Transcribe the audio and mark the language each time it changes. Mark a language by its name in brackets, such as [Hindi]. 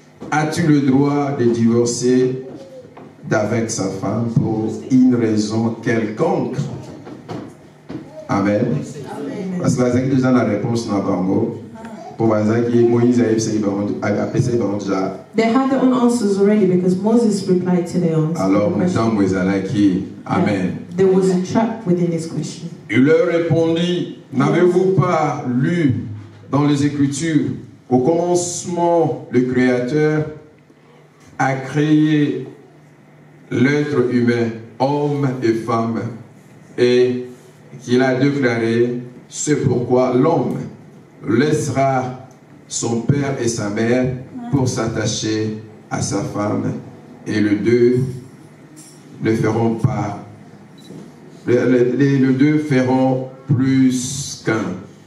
[French] As-tu le droit de divorcer d'avec sa femme pour une raison quelconque? Amen. Parce que vous avez déjà la réponse dans le mot. Pour vous dire que Moïse a appelé ses parents déjà. [English] They had their own answers already because Moses replied to their answers. [French] Alors, maintenant, Moïse a dit amen. [English] There was a trap within his question. [French] Il leur répondit, n'avez-vous pas lu dans les Écritures, au commencement, le Créateur a créé l'être humain, homme et femme, et qu'il a déclaré ce pourquoi l'homme laissera son père et sa mère pour s'attacher à sa femme, et les deux ne feront pas, les deux feront plus qu'un.